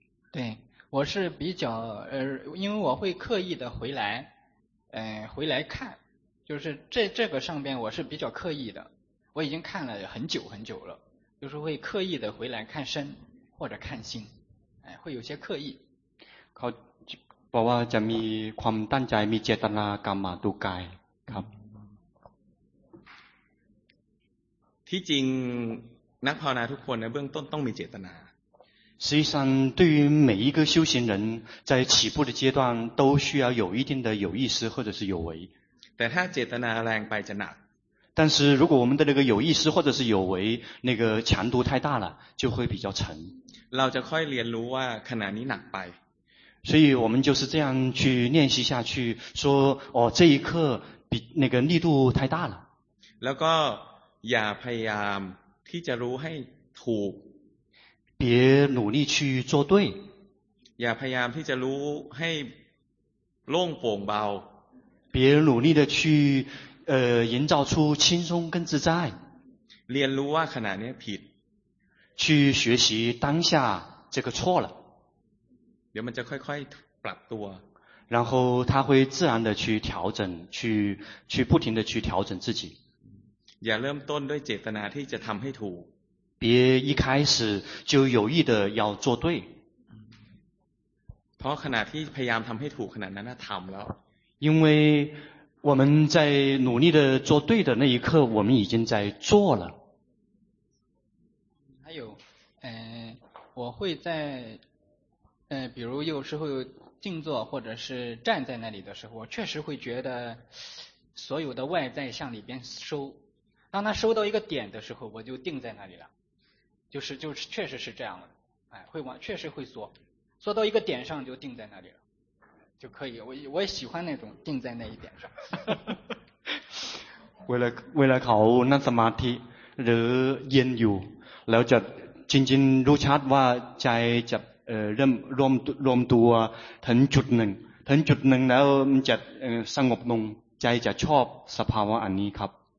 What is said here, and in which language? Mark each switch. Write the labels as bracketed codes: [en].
[zh] 对我是比较因为我会刻意的回来回来看就是这个上边我是比较刻意的我已经看了很久很久了就是会刻意的回来看身或者看心会有些刻意 [th] เขาบอกว่าจะมีความตั้งใจมีเจตนากรรมดูกายครับ ที่จริงนักภาวนาทุกคนในเบื้องต้นต้องมีเจตนา [zh] 实际上对于每一个修行人在起步的阶段都需要有一定的有意识或者是有为。 [th] แต่ถ้าเจตนาแรงไปจะหนัก [zh] 但是如果我们的那个有意识或者是有为那个强度太大了就会比较沉。 [th] เราจะค่อยเรียนรู้ว่าขณะนี้หนักไป [zh] 所以我们就是这样去练习下去说哦这一刻比那个力度太大了。 [th] แล้วก็อย่าพยายามที่จะรู้ให้ถูก [zh] 别努力去做对 [th] อย่าพยายามที่จะรู้ให้โล่งโปร่งเบา [zh] 别努力的去营造出轻松跟自在 [th] เรียนรู้ว่าขณะนี้ผิด [zh] 去学习当下这个错了 [th] เดี๋ยวมันจะค่อยๆปรับตัว [zh] 然后他会自然的去调整去不停的去调整自己 [th] อย่าเริ่มต้นด้วยเจตนาที่จะทำให้ถูก [zh] 别一开始就有意的要做对 [th] เพราะขณะที่พยายามทำให้ถูกขณะนั้นทำแล้ว [zh] 因为我们在努力的做对的那一刻我们已经在做了还有我会在比如有时候静坐或者是站在那里的时候我确实会觉得所有的外在向里边收当他收到一个点的时候我就定在那里了就是确实是这样的哎会往确实会缩到一个点上就定在那里了就可以我也喜欢那种定在那一点上为了考 [th] นั่งสมาธิหรือยืนอยู่แล้วจะจริงจริงรู้ชัดว่าใจจะรวมตัวถึงจุดหนึ่งแล้วมันจะสงบลงใจจะชอบสภาวะอันนี้ครับ